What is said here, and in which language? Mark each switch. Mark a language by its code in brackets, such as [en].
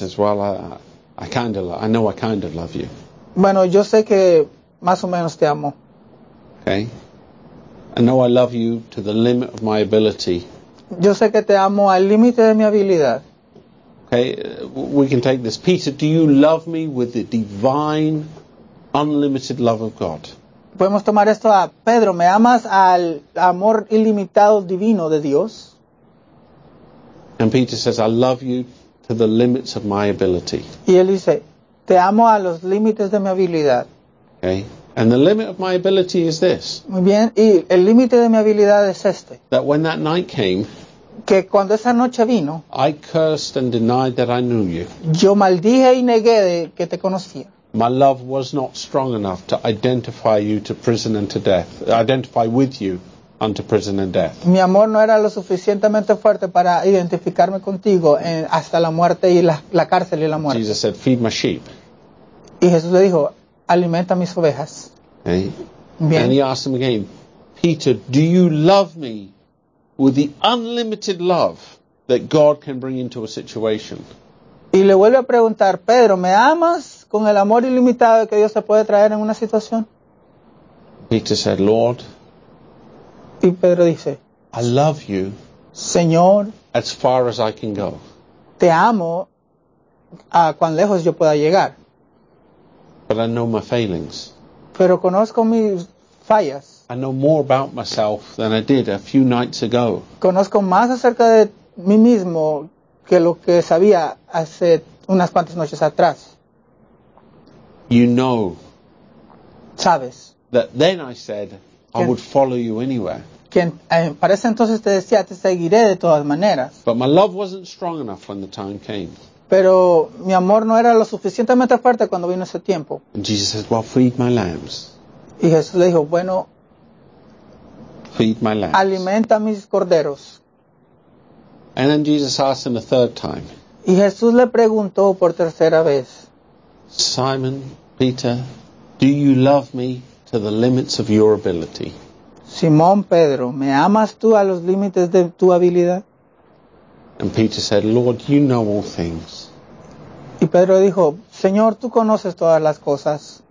[en] He says, "Well, I know I kind of love you. [es] Bueno, yo sé que más o menos te amo. Okay. [en] I know I love you to the limit of my ability. [es] Yo sé que te amo al límite de mi habilidad. [en] Okay, we can take this. Peter, do you love me with the divine, unlimited love of God? [es] Podemos tomar esto a Pedro. ¿Me amas al amor ilimitado divino de Dios? [en] And Peter says, I love you to the limits of my ability. [es] Y él dice, te amo a los límites de mi habilidad. [en] Okay. And the limit of my ability is this. [es] Muy bien. Y el límite de mi habilidad es este. [en] That when that night came, [es] que cuando esa noche vino, [en] I cursed and denied that I knew you. [es] Yo maldije y negué de que te conocía. [en] My love was not strong enough to identify you to prison and to death. Identify with you unto prison and death. [es] Mi amor no era lo suficientemente fuerte para identificarme contigo en, hasta la muerte y la cárcel y la muerte. [en] Jesus said, "Feed my sheep." [es] Y Jesús le dijo, alimenta mis ovejas. [en] Okay. Bien. And he asked him again, Peter, do you love me with the unlimited love that God can bring into a situation? [es] Y le vuelve a preguntar, Pedro, ¿me amas con el amor ilimitado que Dios se puede traer en una situación? [en] Peter said, Lord, [es] y Pedro dice, [en] I love you, [es] Señor, [en] as far as I can go. [es] Te amo a cuán lejos yo pueda llegar. [en] But I know my failings. [es] Pero conozco mis fallas. [en] I know more about myself than I did a few nights ago. [es] Conozco más acerca de mí mismo que lo que sabía hace unas cuantas noches atrás. [en] You know. [es] Sabes. [en] That then I said I would follow you anywhere. [es] Que para ese entonces te decía te seguiré de todas maneras. [en] But my love wasn't strong enough when the time came. [es] Pero mi amor no era lo suficientemente fuerte cuando vino ese tiempo. [en] And Jesus said, well, feed my lambs. [es] Y Jesús le dijo, bueno, [en] feed my lambs. [es] Alimenta mis corderos. [en] And then Jesus asked him a third time, [es] y Jesús le preguntó por tercera vez, [en] Simon, Peter, do you love me to the limits of your ability? [es] Simón, Pedro, ¿me amas tú a los límites de tu habilidad? [en] And Peter said, Lord, you know all things. [es] Y Pedro dijo, Señor, tú conoces todas las cosas.